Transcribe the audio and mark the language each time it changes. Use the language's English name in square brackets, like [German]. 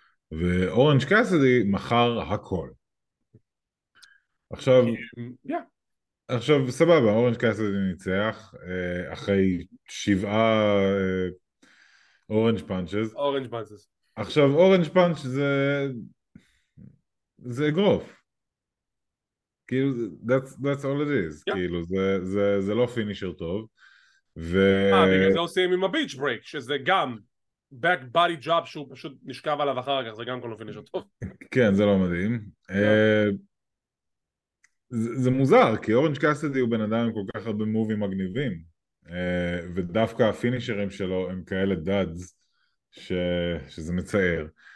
[Hebrew] ואורנג' קאסידי מכר הכל. עכשיו, [English] yeah. [Hebrew] עכשיו, סבבה, אורנג' קאסידי ניצח אחרי שבעה אורנג' פאנצ'ז. אורנג' פאנצ'ז. עכשיו, אורנג' פאנצ' זה אגרוף. כאילו, [English] that's all it is. Yeah. [Hebrew] כאילו, זה לא פינישר טוב. בגלל זה עושים עם הביץ' ברייק, שזה גם [English] back body drop [Hebrew] שהוא פשוט נשכב עליו אחר כך, זה גם כל הפיניש הטוב. כן, זה לא מדהים. זה מוזר, כי אורנג' קאסדי הוא בן אדם עם כל כך הרבה מובים מגניבים, ודווקא הפינישרים שלו הם כאלה דאדס, שזה מצער.